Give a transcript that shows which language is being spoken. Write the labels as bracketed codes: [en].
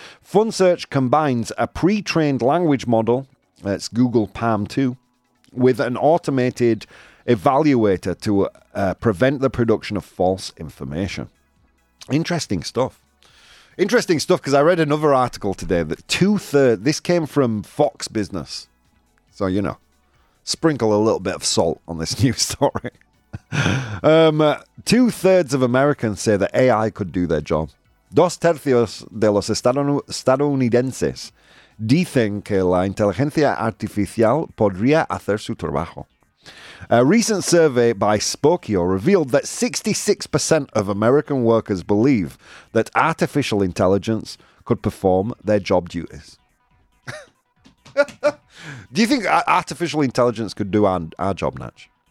[en] FunSearch combines a pre-trained language model, that's Google PaLM 2, with an automated evaluator to prevent the production of false information. Interesting stuff. Interesting stuff, because I read another article today that two-thirds, this came from Fox Business. So, you know, sprinkle a little bit of salt on this news story. two-thirds of Americans say that AI could do their job. [es] Dos tercios de los estadounidenses dicen que la inteligencia artificial podría hacer su trabajo. [en] A recent survey by Spokio revealed that 66% of American workers believe that artificial intelligence could perform their job duties. Do you think artificial intelligence could do our job, Natch?